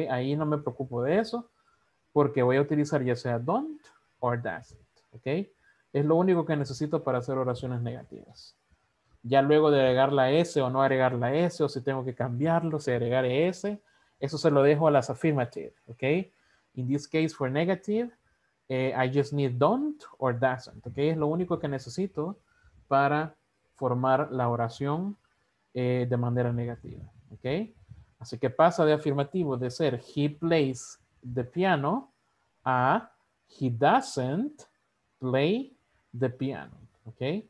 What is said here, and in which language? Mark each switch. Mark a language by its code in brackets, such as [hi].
[es] Ahí no me preocupo de eso. Porque voy a utilizar ya sea [en] don't or doesn't, [es] ¿ok? Es lo único que necesito para hacer oraciones negativas. ya luego de agregar la S o no agregar la S, o si tengo que cambiarlo, si agregar S, eso se lo dejo a las affirmative, ¿ok? [en] In this case, for negative, I just need don't or doesn't, ¿ok? [es] Es lo único que necesito para formar la oración de manera negativa, ¿ok? Así que pasa de afirmativo, de ser [en] he plays the piano, [es] a [en] he doesn't play the piano, [es] ¿ok?